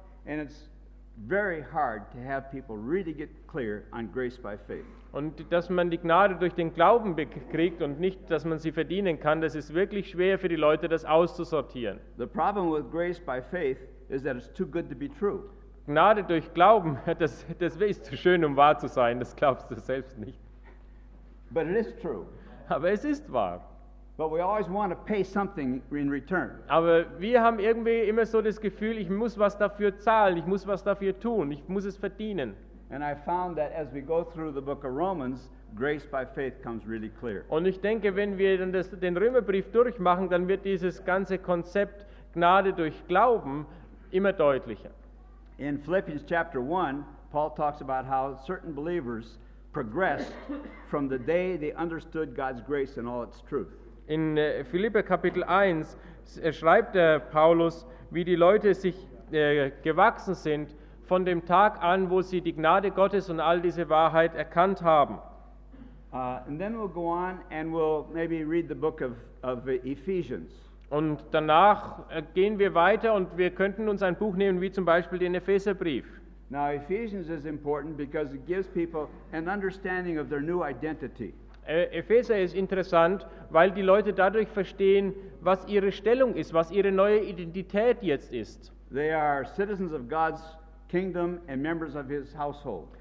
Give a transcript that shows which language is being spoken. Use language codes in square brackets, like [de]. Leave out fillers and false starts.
[en] And it's very hard to have people really get clear on grace by faith. [de] Und dass man die Gnade durch den Glauben bekriegt und nicht, dass man sie verdienen kann, das ist wirklich schwer für die Leute, das auszusortieren. [en] The problem with grace by faith is that it's too good to be true. [de] Gnade durch Glauben, das ist zu schön, um wahr zu sein, das glaubst du selbst nicht. [en] But it is true. [de] Aber es ist wahr. [en] But we always want to pay something in return. [de] Aber wir haben irgendwie immer so das Gefühl, ich muss was dafür zahlen, ich muss was dafür tun, ich muss es verdienen. [en] And I found that as we go through the book of Romans, grace by faith comes really clear. [de] Und ich denke, wenn wir dann den Römerbrief durchmachen, dann wird dieses ganze Konzept Gnade durch Glauben immer deutlicher. [en] In Philippians chapter 1, Paul talks about how certain believers progressed from the day they understood God's grace in all its truth. [de] In Philippe Kapitel 1 schreibt der Paulus, wie die Leute sich gewachsen sind von dem Tag an, wo sie die Gnade Gottes und all diese Wahrheit erkannt haben. [en] And then we'll go on and we'll maybe read the book of Ephesians. [de] Und danach gehen wir weiter und wir könnten uns ein Buch nehmen, wie zum Beispiel den Epheserbrief. [en] Now Ephesians is important because it gives people an understanding of their new identity. [de] Epheser ist interessant, weil die Leute dadurch verstehen, was ihre Stellung ist, was ihre neue Identität jetzt ist. [en] They are citizens of God's kingdom and members of his household.